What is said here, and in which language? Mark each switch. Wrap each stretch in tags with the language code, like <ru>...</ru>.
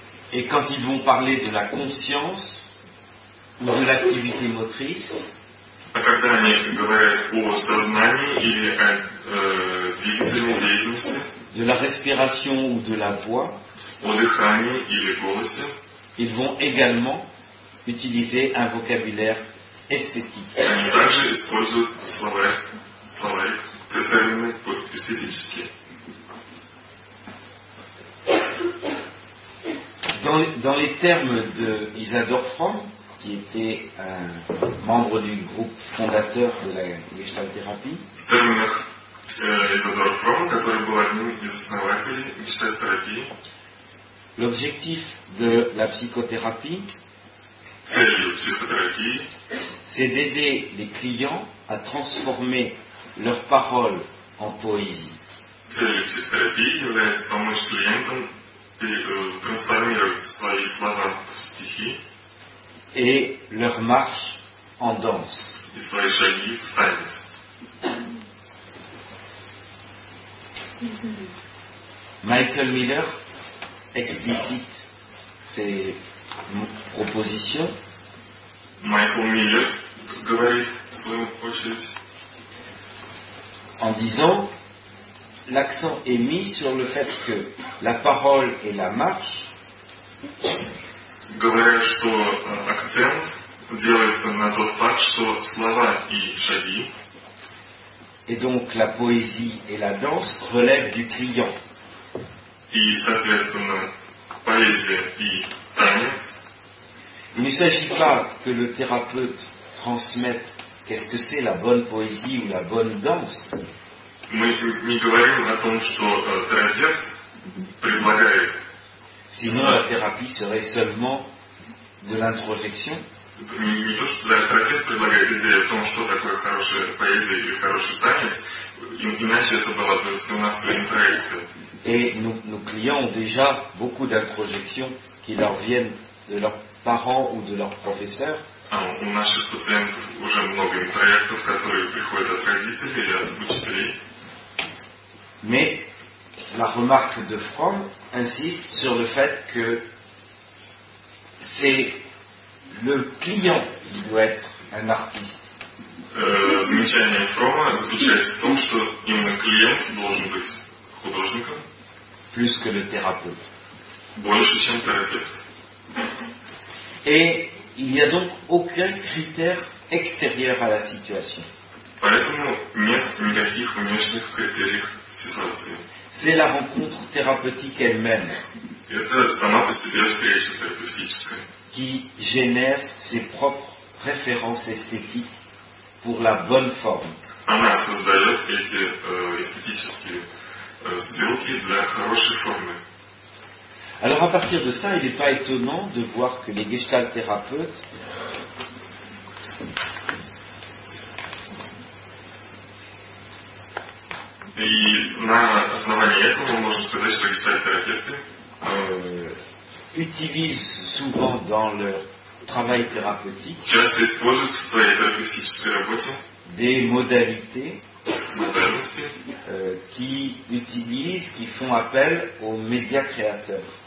<fr>Et quand ils vont parler de la conscience ou de l'activité motrice,</fr> <ru>а когда они говорят о сознании или о двигательной деятельности,</ru> <fr>de la respiration ou de la voix, au</fr> <ru>дыхании или голосе,</ru> <fr>ils vont également utiliser un vocabulaire esthétique.</fr> <ru>Они также используют словарь, термины эстетические.</ru> <fr>Dans les termes de Isadore Franck, qui était un membre du groupe fondateur de la gestalt-thérapie,</fr> <ru>Isadore Fromm, который был одним из основателей гештальт-терапии.</ru> <fr>L'objectif de la psychothérapie,</fr> <ru>цель психотерапии,</ru> <fr>c'est d'aider les clients à transformer leurs paroles en poésie.</fr> <ru>Цель психотерапии является помочь клиентам трансформировать свои слова в стихи</ru> <fr>et leur marche en danse.</fr> <ru>И свои шаги в танец.</ru> <fr>Michael Miller explicite ses propositions.</fr> <ru>Michael Miller говорит свою очередь.</ru> <fr>En disant, l'accent est mis sur le fait que la parole et la marche,</fr> <ru>говоря, что акцент делается на тот факт, что слова и шаги.</ru> <fr>Et donc la poésie et la danse relèvent du client.</fr> <ru>И, соответственно, поэзия и танец.</ru> <fr>Il ne s'agit pas que le thérapeute transmette qu'est-ce que c'est la bonne poésie ou la bonne danse.</fr> <ru>Мы не говорим о том, что терапевт предлагает.</ru> <fr>Sinon la thérapie serait seulement de l'introjection.</fr> <ru>Не то, что терапевт предлагает идею о том, что такое хорошая поэзия или хороший танец, иначе это была бы у нас интроекция.</ru> <fr>Et nos clients ont déjà beaucoup d'introjections qui leur viennent de leurs parents ou de leurs professeurs.</fr> <ru>У наших пациентов уже много интроектов, которые приходят от родителей или от учителей.</ru> <fr>Mais la remarque de Fromm insiste sur le fait que c'est le client qui doit être un artiste.</fr> <ru>Замечание Фрома заключается в том, что именно клиент должен быть художником.</ru> <fr>Plus que le thérapeute.</fr> <ru>Больше, чем терапевт.</ru> <fr>Et il n'y a donc aucun critère extérieur à la situation.</fr> <ru>Поэтому нет никаких внешних критериев ситуации.</ru> <fr>C'est la rencontre thérapeutique elle-même.</fr> <ru>Это сама по себе встреча терапевтическая.</ru> <fr>Qui génère ses propres références esthétiques. Pour la bonne forme.</fr> <ru>Она создает эти эстетические сделки для хорошей формы.</ru> <fr>Alors à partir de ça, il n'est pas étonnant de voir que les gestalt-thérapeutes</fr> <ru>и на основании этого мы можем сказать, что гештальт-терапевты</ru> <fr>utilisent souvent dans leur travail thérapeutique.</fr> <ru>Часто используют в своей терапевтической работе</ru> <fr>des modalités</fr> <en>modernity.</en> <fr>Qui utilisent, qui font appel aux médias créateurs.</fr>